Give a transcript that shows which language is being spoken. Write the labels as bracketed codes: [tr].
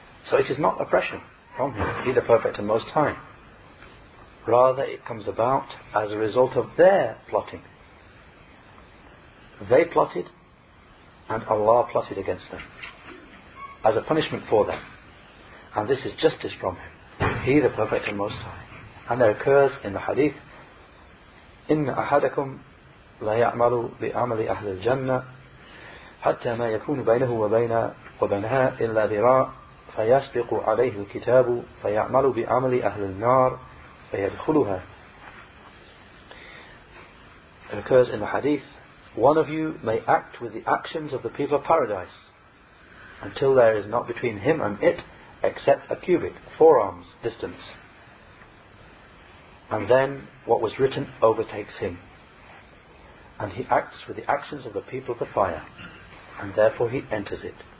[en] So it is not oppression from him, he the Perfect and Most High. Rather, it comes about as a result of their plotting. They plotted, and Allah plotted against them, as a punishment for them. And this is justice from him, he the Perfect and Most High. And there occurs in the hadith, [ar] إِنَّ أَحَدَكُمْ لَيَعْمَلُ بِعَمَلِ أَهْلِ الْجَنَّةِ حَتَّى مَا يَكُونُ بَيْنَهُ وَبَيْنَهَا إِلَّا ذِرَاءٌ فَيَسْبِقُ عَلَيْهِ الْكِتَابُ فَيَعْمَلُ بِعَمَلِ أَهْلِ النَّارِ فَيَدْخُلُهَا. [en] It occurs in the hadith, one of you may act with the actions of the people of paradise until there is not between him and it except a cubit, forearms distance. and then what was written overtakes him. And he acts with the actions of the people of the fire, and therefore he enters it.